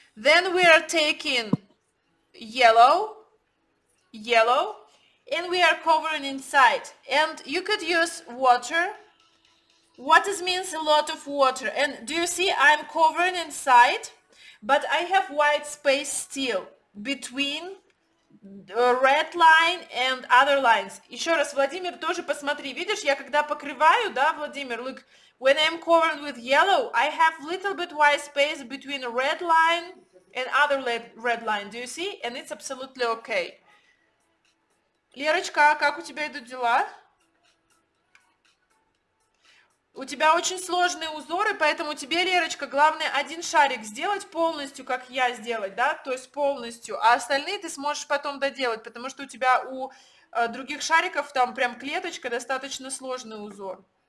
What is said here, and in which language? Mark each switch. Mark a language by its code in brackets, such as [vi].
[en] Then we are taking yellow, and we are covering inside. And you could use water. What this means, a lot of water. And do you see, I'm covering inside, but I have white space still between the red line and other lines. [ru] Еще раз, Владимир, тоже посмотри. Видишь, я когда покрываю, да, Владимир, [en] look. When I'm covered with yellow, I have little bit white space between red line and other red line. Do you see? And it's absolutely okay. [ru] Лерочка, как у тебя идут дела? У тебя очень сложные узоры, поэтому тебе, Лерочка, главное один шарик сделать полностью, как я сделать, да? То есть полностью. А остальные ты сможешь потом доделать, потому что у тебя у других шариков там прям клеточка, достаточно сложный узор.